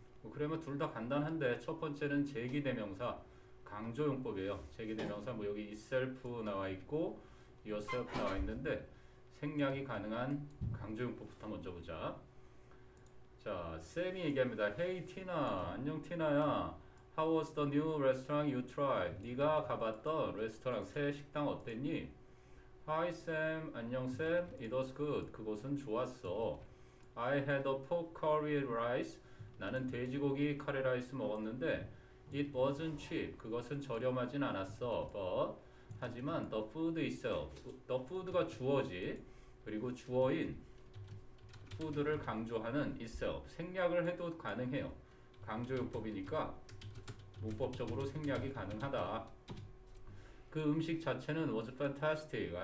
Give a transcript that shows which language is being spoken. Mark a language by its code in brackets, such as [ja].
[ko] 그래마 둘다 간단한데 첫 번째는 제기대명사 강조용법이에요. 제기대명사 뭐 여기 itself 나와 있고 yourself 나와 있는데 생략이 가능한 강조용법부터 먼저 보자. 자, 샘이 얘기합니다. [en] Hey Tina, [ko] 안녕 티나야. [en] How was the new restaurant you tried? [ko] 네가 가봤던 레스토랑 새 식당 어땠니? [en] Hi Sam, [ko] 안녕 Sam. [en] It was good. [ko] 그곳은 좋았어. [en] I had a pork curry rice. [ko] 나는 돼지고기 카레 라이스 먹었는데, [en] it wasn't cheap. [ko] 그것은 저렴하진 않았어. [en] But [ko] 하지만 [en] the food itself, the food가 [ko] 주어지. 그리고 주어인 food를 강조하는 itself. 생략을 해도 가능해요. 강조용법이니까 문법적으로 생략이 가능하다. 그 음식 자체는 [en] was fantastic.